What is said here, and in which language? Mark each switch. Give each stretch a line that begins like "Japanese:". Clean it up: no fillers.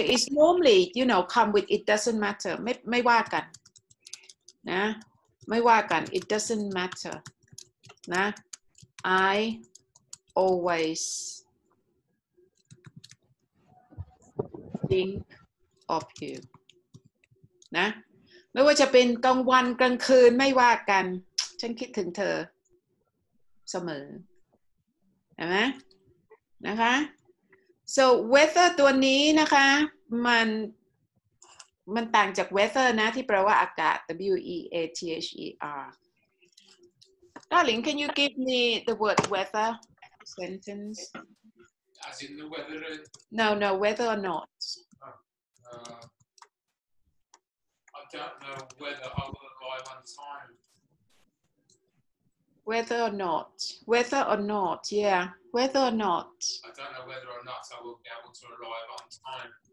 English: It's normally, you know, come with it doesn't matter.
Thai: ไม่ว่ากัน Nah, ไม่ว่ากัน
English: It doesn't matter.
Thai: Nah.
English: I always think of you.
Thai: นะไม่ว่าจะเป็นกลางวันกลางคืนไม่ว่ากันฉันคิดถึงเธอเสมอเห็นไหมนะคะ so weather ตัวนี้นะคะมันต่างจาก weather นะที่แปลว่าอากาศ weather
English: Darling, can you give me the word whether sentence? As in the weather? No, whether or not. I don't know whether I will arrive on time. Whether or not. Whether or not, yeah. Whether or not. I don't know whether or not I will be able to arrive on time.